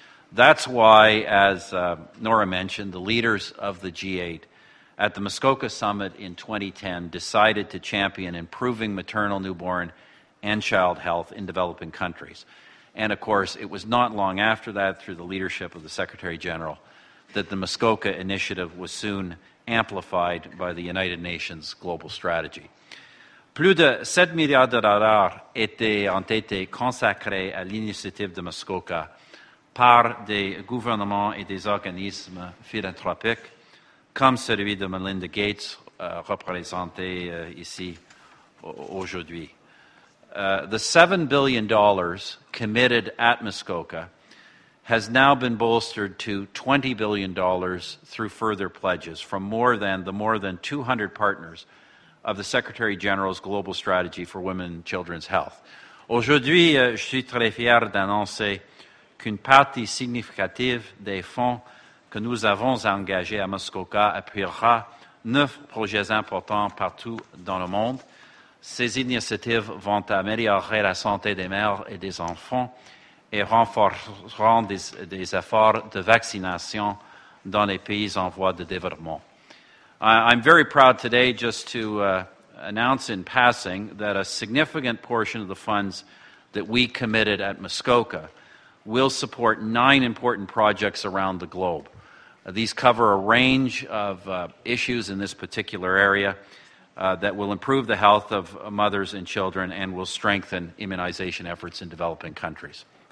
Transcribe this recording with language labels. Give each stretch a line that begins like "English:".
English: That's why, as Nora mentioned, the leaders of the G8 at the Muskoka Summit in 2010 decided to champion improving maternal, newborn, and child health in developing countries. And, of course, it was not long after that, through the leadership of the Secretary General, that the Muskoka Initiative was soon amplified by the United Nations Global Strategy.
French: Plus de 7 milliards de dollars ont été consacrés à l'initiative de Muskoka par des gouvernements et des organismes philanthropiques, comme celui de Melinda Gates, représenté ici aujourd'hui.
English: The $7 billion committed at Muskoka has now been bolstered to $20 billion through further pledges from more than 200 partners of the Secretary General's Global Strategy for Women and Children's Health.
French: Aujourd'hui, je suis très fier d'annoncer qu'une partie significative des fonds que nous avons engagés à Muskoka appuiera 9 projets importants partout dans le monde. Ces initiatives vont améliorer la santé des mères et des enfants et renforceront des efforts de vaccination dans les pays en voie de développement.
English: I'm very proud today just to announce in passing that a significant portion of the funds that we committed at Muskoka will support 9 important projects around the globe. These cover a range of issues in this particular area that will improve the health of mothers and children and will strengthen immunization efforts in developing countries.